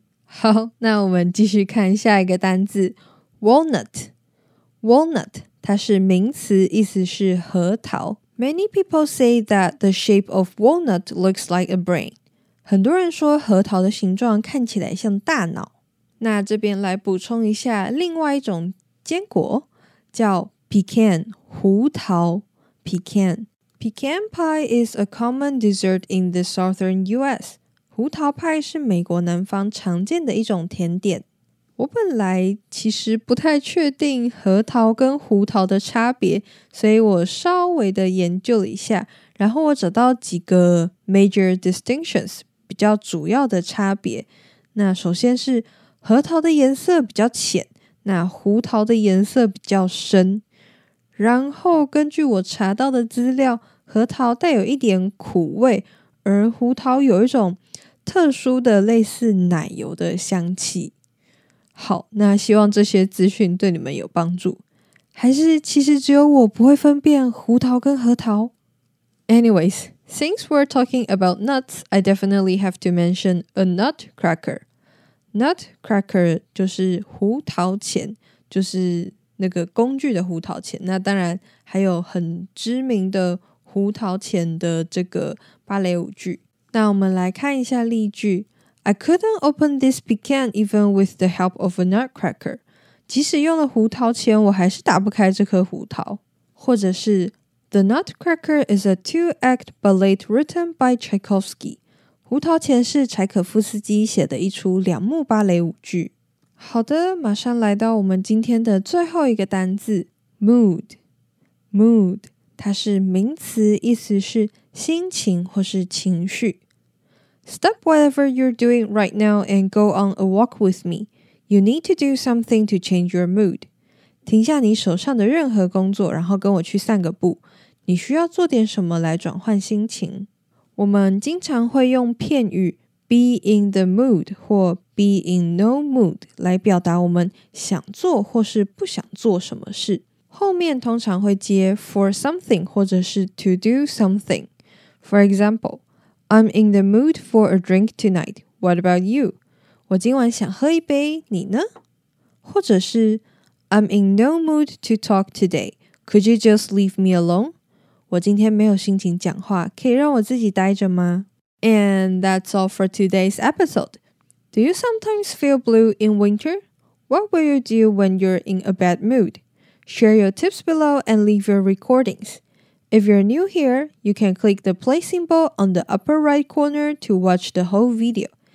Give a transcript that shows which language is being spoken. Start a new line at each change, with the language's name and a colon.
Chinese: 好，那我们继续看下一个单字 walnut。 Walnut 它是名词，意思是核桃。
English: Many people say that the shape of walnut looks like a brain.
Chinese: 很多人说核桃的形状看起来像大脑。那这边来补充一下另外一种坚果，叫 pecan, 胡桃 pecan.
English: Pecan pie is a common dessert in the southern US.
Chinese: 胡桃派是美国南方常见的一种甜点。我本来其实不太确定核桃跟胡桃的差别，所以我稍微的研究了一下，然后我找到几个
English: major distinctions，
Chinese: 比较主要的差别。那首先是核桃的颜色比较浅，那胡桃的颜色比较深。然后根据我查到的资料，核桃带有一点苦味，而胡桃有一种特殊的类似奶油的香气。好，那希望这些资讯对你们有帮助。还是其实只有我不会分辨胡桃跟核桃？
English: Anyways, since we're talking about nuts, I definitely have to mention a nutcracker.
Chinese: Nutcracker 就是胡桃钳，就是那个工具的胡桃钳。那当然还有很知名的胡桃钳的这个芭蕾舞剧。那我们来看一下例句。
English: I couldn't open this pecan even with the help of a nutcracker.
Chinese: 即使用了胡桃钳，我还是打不开这颗胡桃。或者是
English: The nutcracker is a two-act ballet written by Tchaikovsky.
Chinese: 胡桃钳是柴可夫斯基写的一出两幕芭蕾舞剧。好的，马上来到我们今天的最后一个单字 mood。 Mood 它是名词，意思是心情或是情绪。
English: Stop whatever you're doing right now and go on a walk with me. You need to do something to change your mood.
Chinese: 停下你手上的任何工作，然后跟我去散个步。你需要做点什么来转换心情。我们经常会用片语 be in the mood 或 be in no mood 来表达我们想做或是不想做什么事。后面通常会接 for something 或者是 to do something。
English: For example, I'm in the mood for a drink tonight. What about you?
Chinese: 我今晚想喝一杯，你呢？或者是
English: I'm in no mood to talk today. Could you just leave me alone?
Chinese: 我今天没有心情讲话，可以让我自己待着吗？
English: And that's all for today's episode. Do you sometimes feel blue in winter? What will you do when you're in a bad mood? Share your tips below and leave your recordings. If you're new here, you can click the play symbol on the upper right corner to watch the whole video.